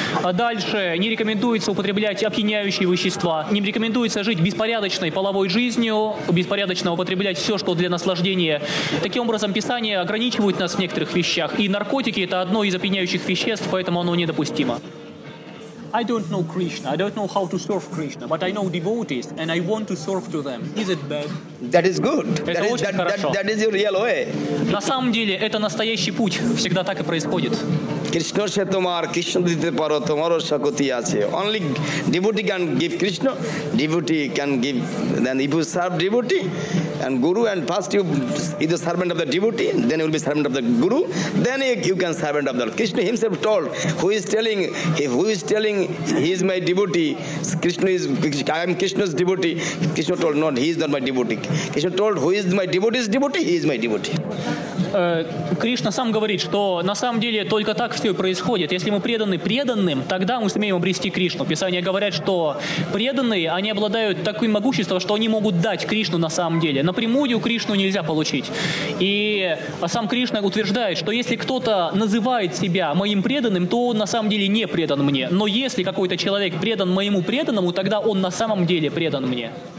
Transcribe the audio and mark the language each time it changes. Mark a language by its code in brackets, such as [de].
[ru] А дальше не рекомендуется употреблять опьяняющие вещества. Не рекомендуется жить беспорядочной половой жизнью, беспорядочно употреблять все, что для наслаждения. Таким образом, Писание ограничивает нас в некоторых вещах. И наркотики – это одно из опьяняющих веществ, поэтому оно недопустимо. [en] I don't know Krishna. I don't know how to serve Krishna, but I know devotees and I want to serve to them. Is it bad? That is good. [ru] Это очень хорошо. [en] That is your real way. [ru] На самом деле, это настоящий путь. Всегда так и происходит. [bn] Krishna se tumar Krishna dite paro tomaro shakti ache. [en] Only devotee can give Krishna. Devotee can give. Then if you serve devotee and guru and first you is the servant of the devotee, then you will be servant of the guru. Then you can servant of the Lord. Krishna himself told, who is telling he is my devotee. Krishna is, I am Krishna's devotee. Krishna told, no, he is not my devotee. Krishna told, who is my devotee's devotee? He is my devotee. [ru] Krishna сам говорит, что на самом деле только так все происходит. Если мы преданы преданным, тогда мы сумеем обрести Кришну. Писания говорят, что преданные, они обладают таким могуществом, что они могут дать Кришну на самом деле. Напрямую Кришну нельзя получить. И сам Кришна утверждает, что если кто-то называет себя моим преданным, то он на самом деле не предан мне. Но если какой-то человек предан моему преданному, тогда он на самом деле предан мне.